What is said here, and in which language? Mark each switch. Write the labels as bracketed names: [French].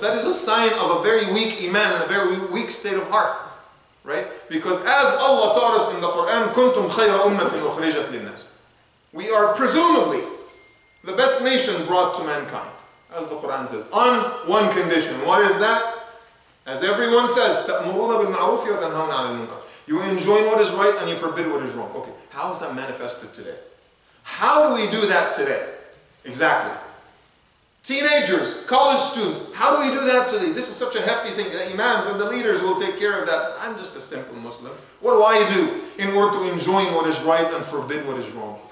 [English] That is a sign of a very weak iman and a very weak state of heart, right? Because as Allah taught us in the Quran, [Arabic] كُنْتُمْ خَيْرَ أُمَّةٍ أُخْرِجَتْ لِلنَّاسِ. [English] We are presumably the best nation brought to mankind, as the Quran says, on one condition. What is that? As everyone says, [Arabic] تَأْمُرُونَ بِالْمَعْرُوفِ وَتَنْهَوْنَ عَنِ الْمُنْكَرِ. [English] You enjoin what is right and you forbid what is wrong. Okay, how is that manifested today? How do we do that today? Exactly. Teenagers, college students, how do we do that today? This is such a hefty thing. The imams and the leaders will take care of that. I'm just a simple Muslim. What do I do in order to enjoin what is right and forbid what is wrong?